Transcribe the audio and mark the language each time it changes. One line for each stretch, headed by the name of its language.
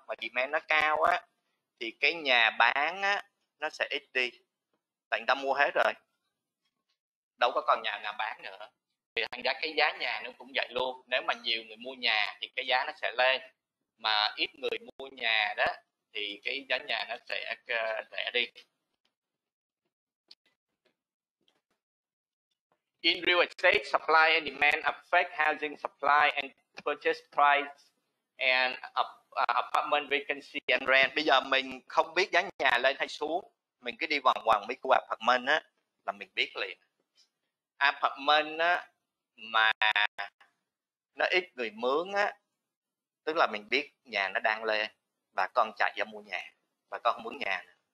Vietnamese: Mà demand nó cao á thì cái nhà bán á nó sẽ ít đi. Tại người ta mua hết rồi. Đâu có còn nhà nào bán nữa. Thì thành ra cái giá nhà nó cũng vậy luôn, nếu mà nhiều người mua nhà thì cái giá nó sẽ lên, mà ít người mua nhà đó thì cái giá nhà nó sẽ rẻ đi.
English: In real estate, supply and demand affect housing supply and purchase price and apartment vacancy and rent.
Vietnamese: Bây giờ mình không biết giá nhà lên hay xuống, mình cứ đi vòng vòng mấy khu apartment á là mình biết liền. Apartment á mà nó ít người mướn á, tức là mình biết nhà nó đang lên, bà con chạy ra mua nhà, bà con không mướn nhà.